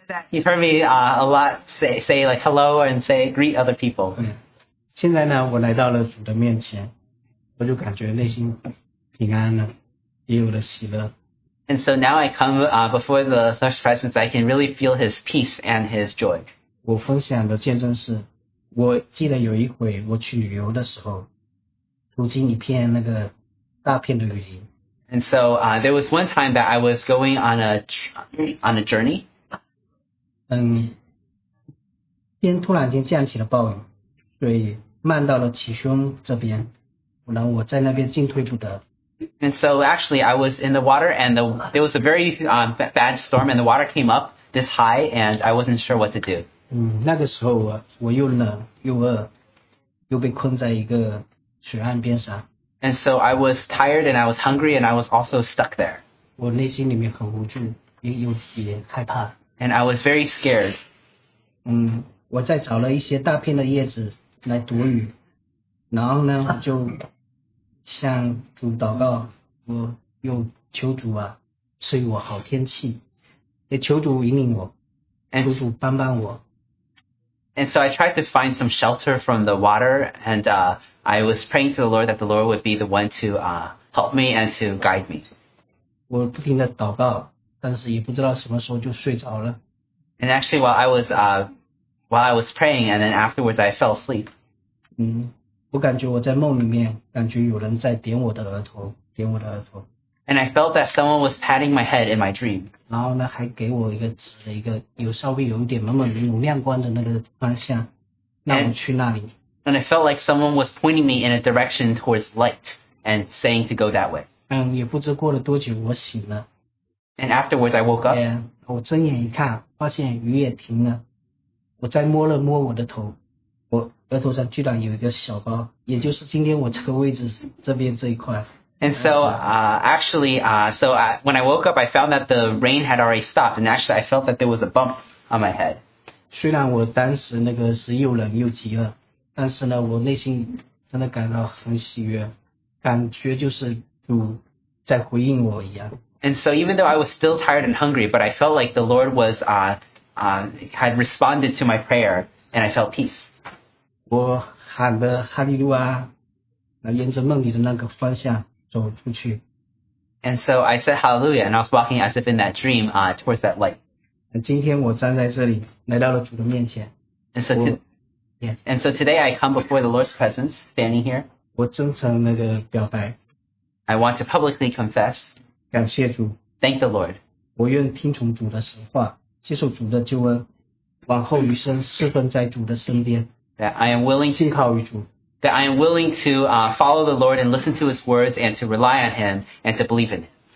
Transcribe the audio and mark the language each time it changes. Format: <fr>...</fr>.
<en>He heard me a lot say like hello and say greet other people.</en> <zh>现在呢，我来到了主的面前，我就感觉内心平安了，也有了喜乐。</zh> <en>And so now I come before the Lord's presence, I can really feel His peace and His joy.</en> <zh>我分享的见证是，我记得有一回我去旅游的时候，途经一片那个大片的雨林。</zh> <en>And so there was one time that I was going on a journey.</en> <zh>天突然间降起了暴雨，所以漫到了其胸这边，然后我在那边进退不得。</zh> <en>And so actually I was in the water and there was a very bad storm and the water came up this high and I wasn't sure what to do.</en> <zh>那个时候我又冷又饿又被困在一个水岸边上。</zh> <en>And so I was tired and I was hungry and I was also stuck there.</en> <zh>我内心里面很无助又也害怕。</zh> <en>And I was very scared.</en> <zh>我再找了一些大片的叶子来躲雨然后呢就向主祷告，我又求主啊，赐予我好天气，也求主引领我，求主帮帮我。</zh> <en>And so I tried to find some shelter from the water, and I was praying to the Lord that the Lord would be the one to help me and to guide me.</en> <zh>我不停的祷告，但是也不知道什么时候就睡着了。</zh> <en>And actually, while I was praying, and then afterwards, I fell asleep.</en> <zh>我感觉我在梦里面感觉有人在点我的额头，点我的额头。</zh> <en>And I felt that someone was patting my head in my dream.</en> <zh>然后呢，还给我一个指的一个有稍微有一点朦朦胧胧亮光的那个方向，让我去那里。</zh> <en>And I felt like someone was pointing me in a direction towards light and saying to go that way.</en> <zh>也不知过了多久，我醒了。</zh> <en>And afterwards, I woke up.</en> <zh>我睁眼一看，发现雨也停了。我再摸了摸我的头。我额头上居然有一个小包，也就是今天我这个位置这边这一块。</zh> <en>And so, when I woke up, I found that the rain had already stopped, and actually, I felt that there was a bump on my head.</en> <zh>虽然我当时那个是又冷又饥饿，但是呢，我内心真的感到很喜悦，感觉就是主在回应我一样。</zh> <en>And so, even though I was still tired and hungry, but I felt like the Lord was had responded to my prayer, and I felt peace.</en> <zh>我喊了哈利路亚，那沿着梦里的那个方向走出去。</zh> <en>And so I said hallelujah, and I was walking as if in that dream, towards that light.</en> <zh>今天我站在这里，来到了主的面前。</zh> <en>And so, and so today I come before the Lord's presence, standing here.</en> <zh>我真诚那个表白。</zh> <en>I want to publicly confess.</en> <zh>感谢主。</zh> <en>Thank the Lord.</en> <zh>我愿听从主的实话，接受主的救恩，往后余生侍奉在主的身边。</zh> <en>That I am willing,</en> <zh>信靠于主。</zh> <en>That I am willing to follow the Lord and listen to His words and to rely on Him and to believe in Him.</en>